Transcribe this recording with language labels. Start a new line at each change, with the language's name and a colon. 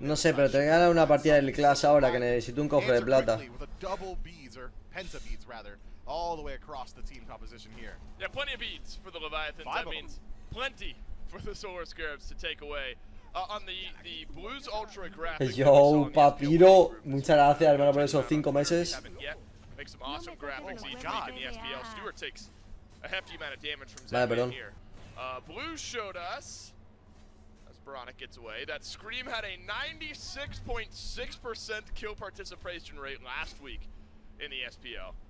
Spanish: No sé, pero tengo que ganar una partida del Clash ahora que necesito un cofre de plata.
English: With a double beads or penta beads rather, all the way across the team composition here. Yeah, plenty of beads for the Leviathans. That means plenty for the Solar Scarabs to take away. On the Blues Ultra graphic.
Spanish: Yo, Papiro, muchas gracias hermano por esos 5 meses.
English: Make some awesome graphics each week in the SPL. Stuart takes a hefty amount of damage from Zed here. Blue showed us. As Piranha gets away. That Scream had a 96.6% kill participation rate last week in the SPL.